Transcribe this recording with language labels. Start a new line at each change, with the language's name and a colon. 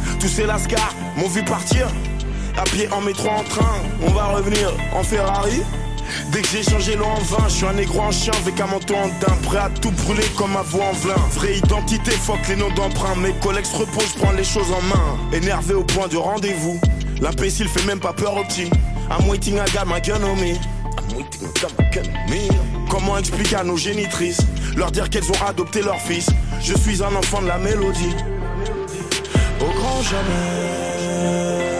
French: Tous ces lascars m'ont vu partir, à pied, en métro, en train, on va revenir en Ferrari. Dès que j'ai changé l'eau en vin, je suis un négro en chien avec un manteau en daim, prêt à tout brûler comme ma voix en vlin. Vraie identité, fuck les noms d'emprunt, mes collègues se reposent, prends les choses en main. Énervé au point de rendez-vous, l'imbécile fait même pas peur au petit.
English: I'm waiting I got my gun on me. I'm waiting I got my gun on me.
French: Comment expliquer à nos génitrices, leur dire qu'elles ont adopté leur fils. Je suis un enfant de la mélodie. Au grand jamais.